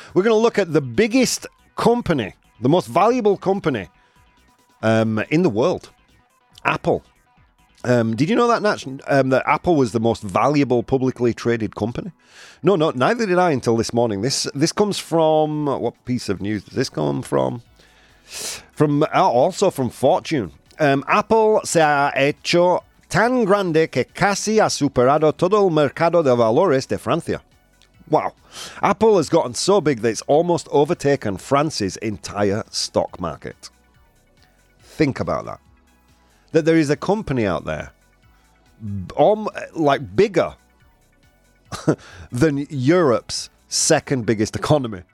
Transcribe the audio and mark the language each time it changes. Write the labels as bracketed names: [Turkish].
[English] We're going to look at the biggest company, the most valuable company in the world, Apple. Did you know that, Nach, that Apple was the most valuable publicly traded company? No, neither did I until this morning. This comes from, what piece of news does this come from? Also from Fortune. [Spanish] Apple se ha hecho tan grande que casi ha superado todo el mercado de valores de Francia. Wow. [English] Apple has gotten so big that it's almost overtaken France's entire stock market. Think about that. That there is a company out there, like bigger than Europe's second biggest economy.